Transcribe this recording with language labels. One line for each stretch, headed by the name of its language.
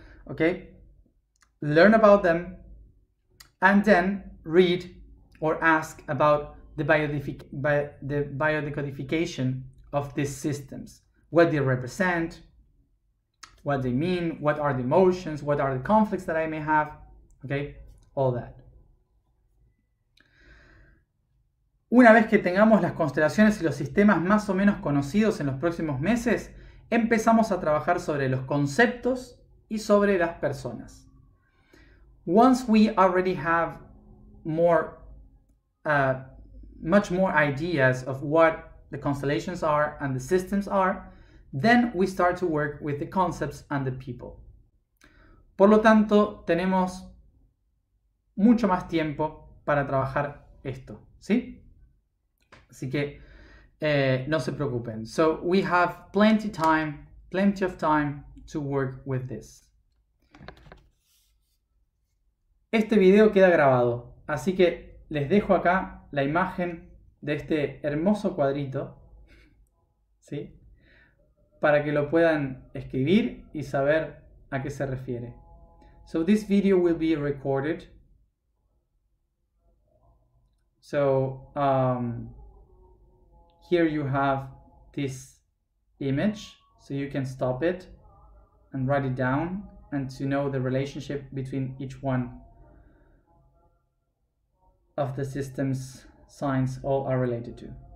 English: Okay, learn about them and then read or ask about the biodecodification of these systems, what they represent, what they mean, what are the emotions, what are the conflicts that I may have, okay, all that.
Spanish: Una vez que tengamos las constelaciones y los sistemas más o menos conocidos en los próximos meses, empezamos a trabajar sobre los conceptos y sobre las personas.
English: Once we already have more, much more ideas of what the constellations are and the systems are, then we start to work with the concepts and the people.
Spanish: Por lo tanto, tenemos mucho más tiempo para trabajar esto, ¿sí? Así que no se preocupen.
English: So we have plenty of time to work with this.
Spanish: Este video queda grabado, así que les dejo acá la imagen de este hermoso cuadrito, ¿sí? Para que lo puedan escribir y saber a qué se refiere.
English: So this video will be recorded. So here you have this image, so you can stop it and write it down and to know the relationship between each one of the systems signs all are related to.